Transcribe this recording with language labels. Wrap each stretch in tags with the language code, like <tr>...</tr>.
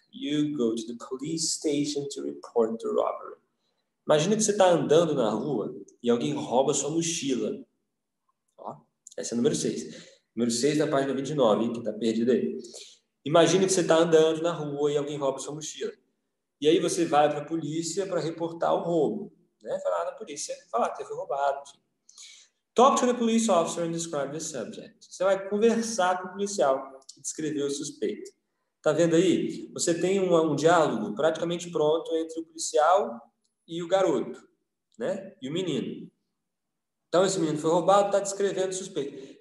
<en>You go to the police station to report the robbery.</en> <pt>Imagina que você está andando na rua e alguém rouba sua mochila. Essa é a número 6. Número 6 da página 29, que está perdido aí. Imagina que você está andando na rua e alguém rouba sua mochila. E aí você vai para a polícia para reportar o roubo, né? Falar na polícia, falar que foi roubado.</pt> <en>Talk to the police officer and describe the subject.</en> <pt>Você vai conversar com o policial e descrever o suspeito. Tá vendo aí? Você tem um diálogo praticamente pronto entre o policial e o garoto, né? E o menino. Então, esse menino foi roubado, está descrevendo o suspeito.</pt>